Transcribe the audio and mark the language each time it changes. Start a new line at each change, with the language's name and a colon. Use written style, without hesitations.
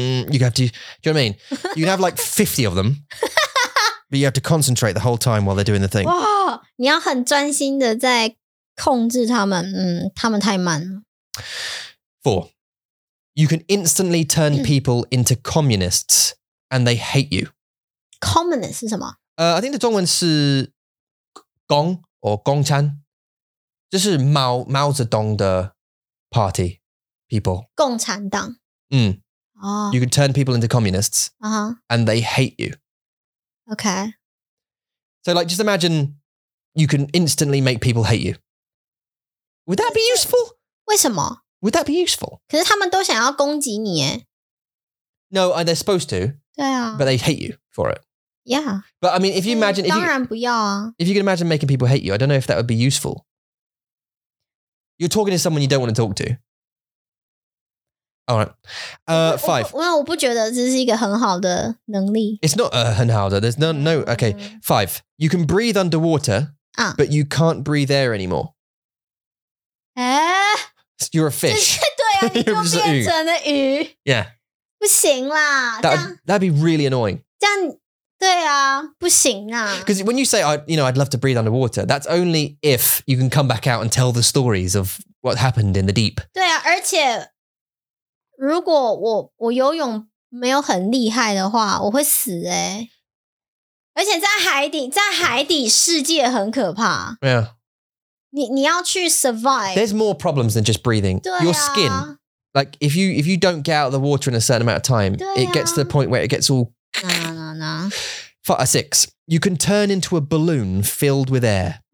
English: You have to, do you know what I mean? You can have like 50 of them, but you have to concentrate the whole time while they're doing the thing.
Chinese: 哇，你要很专心的在控制他们，他们太慢了。
English: Four. You can instantly turn people into communists and they hate you.
Chinese: Communist 是什么?
English: I think the
Chinese: 中文是
English: Gong or Gong Chan.
Chinese: 就是 Mao Zedong 的
English: party people.
Chinese: 共产党。嗯。
English: You can turn people into communists and they hate you. Okay. So like, just imagine you can instantly make people hate you. Would that be useful?
Chinese: 为什么?
English: Would that be useful?
Chinese: 可是他们都想要攻击你耶。
English: No, they're supposed to.
Chinese: 对啊。
English: But they hate you for it. Yeah. But I mean, if you imagine...
Chinese: 当然不要啊。
English: If you can imagine making people hate you, I don't know if that would be useful. You're talking to someone you don't want to talk to. All right. Five.
Chinese: 我不觉得这是一个很好的能力。
English: It's not
Chinese: 很好的。
English: There's no... Okay, five. You can breathe underwater, but you can't breathe air anymore. You're a fish.
Chinese: 对啊，你就变成了鱼。
English: Yeah.
Chinese: 不行啦。
English: That'd be really annoying.
Chinese: 这样，对啊，不行啊。
English: Because when you say, I'd love to breathe underwater, that's only if you can come back out and tell the stories of what happened in the deep.
Chinese: 对啊，而且如果我游泳没有很厉害的话，我会死欸。而且在海底世界很可怕。
English: Yeah.
Chinese: 你要去
English: survive. There's more problems than just breathing.
Chinese: 对啊。
English: Your skin, like if you don't get out of the water in a certain amount of time,
Chinese: 对啊。
English: It gets to the point where it gets all. No. Six, you can turn into a balloon filled with air.